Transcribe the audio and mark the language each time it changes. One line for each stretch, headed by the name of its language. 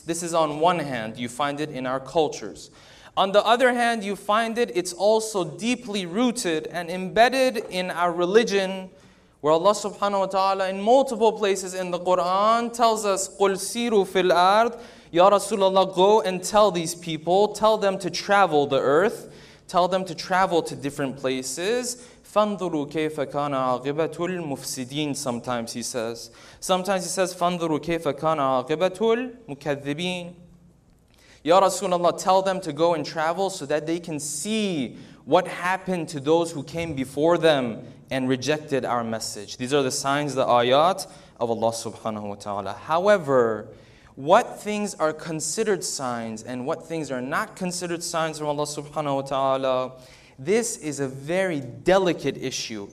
English: This is on one hand, you find it in our cultures. On the other hand, you find it's also deeply rooted and embedded in our religion, where Allah subhanahu wa ta'ala in multiple places in the Quran tells us,
Arabic: قُلْ سِيرُوا فِي الْأَرْضِ.
English: Ya Rasulullah, go and tell these people, tell them to travel the earth, tell them to travel to different places.
Arabic: فَانْظُرُوا كَيْفَ كَانَ عَاقِبَةُ الْمُفْسِدِينَ,
English: sometimes he says. Sometimes he says,
Arabic: فَانْظُرُوا كَيْفَ كَانَ عَاقِبَةُ الْمُكَذِّبِينَ.
English: Ya Rasulullah, tell them to go and travel so that they can see what happened to those who came before them and rejected our message. These are the signs, the ayat of Allah subhanahu wa ta'ala. However, what things are considered signs and what things are not considered signs from Allah subhanahu wa ta'ala, this is a very delicate issue.